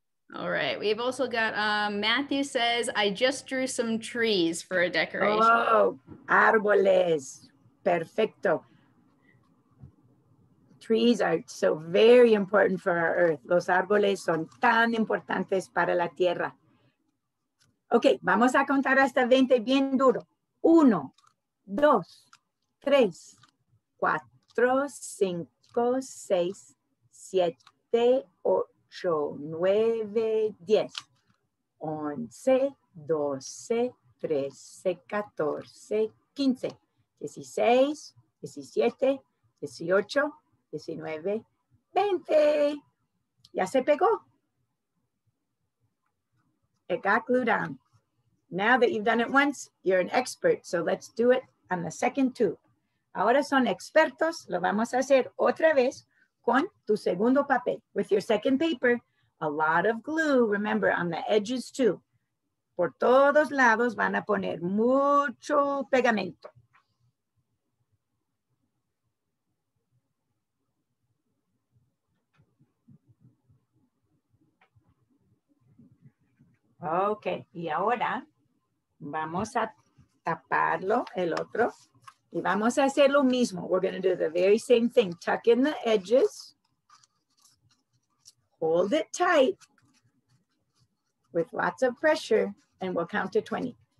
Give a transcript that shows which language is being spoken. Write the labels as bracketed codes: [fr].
[en] All right, we've also got Matthew says, I just drew some trees for a decoration. [es] Oh, árboles, perfecto. [en] Trees are so very important for our earth. [es] Los árboles son tan importantes para la tierra. Okay, vamos a contar hasta 20 bien duro. Uno, dos, tres, cuatro, cinco, seis, siete, ocho, nueve, diez. Once, doce, trece, catorce, quince, dieciséis, diecisiete, dieciocho, 19, 20. Ya se pegó. [en] It got glued on. Now that you've done it once, you're an expert. So let's do it on the second two. [es] Ahora son expertos. Lo vamos a hacer otra vez con tu segundo papel. [en] With your second paper, a lot of glue. Remember, on the edges too. [es] Por todos lados van a poner mucho pegamento. Ok, y ahora vamos a taparlo el otro y vamos a hacer lo mismo. [en] We're going to do the very same thing. Tuck in the edges. Hold it tight with lots of pressure and we'll count to 20.